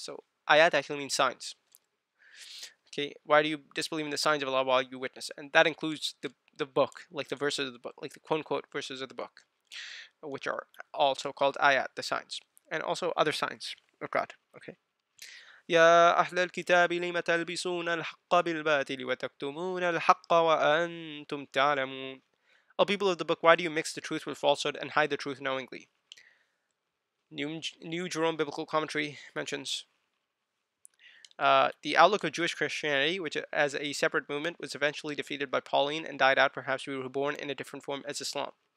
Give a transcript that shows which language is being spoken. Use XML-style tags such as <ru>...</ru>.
<en>So ayat actually means signs. Okay, why do you disbelieve in the signs of Allah while you witness? And that includes the book, like the verses of the book, like the quote-unquote verses of the book, which are also called ayat, the signs, and also other signs of God. Okay,</en> <ar>يا أهل الكتاب لم تلبسون الحق بالباطل وتكتمون الحق وأنتم تعلمون.</ar> <en>O people of the book, why do you mix the truth with falsehood and hide the truth knowingly? New Jerome Biblical Commentary mentions the outlook of Jewish Christianity, which as a separate movement was eventually defeated by Pauline and died out, perhaps we were born in a different form as Islam.</en>